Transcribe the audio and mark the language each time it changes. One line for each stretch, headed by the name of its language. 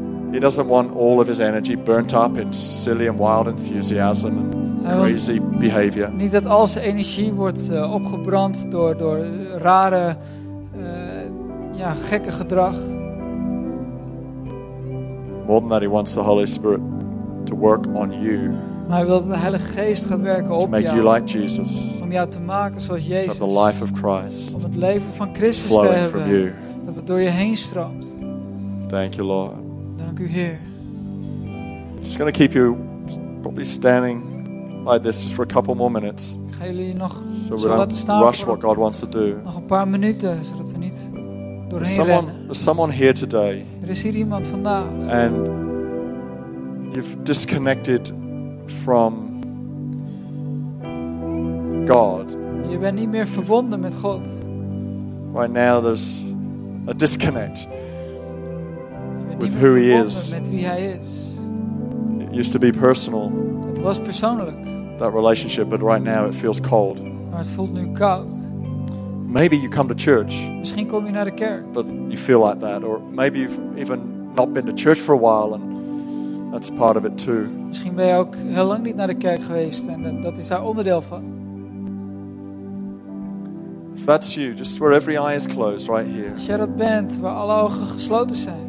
English: He doesn't want all of his energy burnt up in silly and wild enthusiasm and crazy behavior.
Dutch: Niet dat al zijn energie wordt opgebrand door rare gekke gedrag.
English: More than that, he wants the Holy Spirit to work on you.
Dutch: Maar hij wil dat de Heilige Geest gaat werken op
English: jou. Make you like Jesus.
Dutch: Om jou te maken zoals Jezus.
English: To have the life of Christ.
Dutch: Om het leven van Christus
English: flowing
Dutch: te hebben.
English: From you.
Dutch: Dat het door je heen stroomt.
English: Thank you, Lord.
Dutch: Dank u, Heer.
English: Just going to keep you probably standing like this just for a couple more minutes.
Dutch: Ik ga jullie nog
English: so
Dutch: we laten staan.
English: Rush what God wants to do.
Dutch: Nog een paar minuten zodat we niet.
English: There's someone here today.
Dutch: Er is hier iemand vandaag.
English: And you've disconnected from God.
Dutch: Je bent niet meer verbonden met God.
English: Right now there's a disconnect with who he is.
Dutch: Met wie hij is.
English: It used to be personal.
Dutch: Het was persoonlijk.
English: That relationship, but right now it feels cold.
Dutch: Maar het voelt nu koud.
English: Maybe you come to church.
Dutch: Misschien kom je naar de kerk.
English: But you feel like that. Or maybe you've even not been to church for a while and that's part of it too.
Dutch: Misschien ben je ook heel lang niet naar de kerk geweest en dat is daar onderdeel van.
English: If that's you, just where every eye is closed right here.
Dutch: Als jij dat bent, waar alle ogen gesloten zijn.